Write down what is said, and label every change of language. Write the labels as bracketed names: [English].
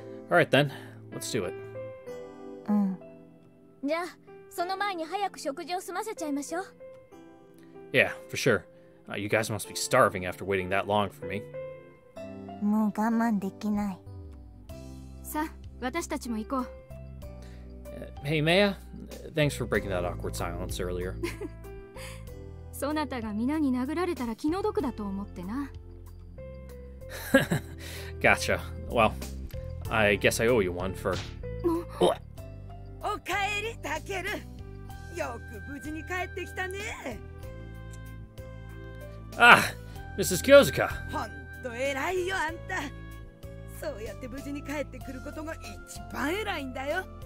[English] Alright then, let's do it. [Japanese] じゃあ、その前に早く食事を済ませちゃいましょう。 [English] Yeah, for sure. You guys must be starving after waiting that long for me. [Japanese] もう我慢できない。さあ、私たちも行こう。 [English] Hey, Maya, thanks for breaking that awkward silence earlier. [Japanese] そなたが皆に殴られたら気の毒だと思ってな。 [English] Gotcha. Well, I guess I owe you one for... [Japanese] おかえり、タケル。よく無事に帰ってきたね。 [English] Ah, Mrs. Kyozuka. [Japanese] 本当偉いよ、あんた。そうやって無事に帰ってくることが一番偉いんだよ。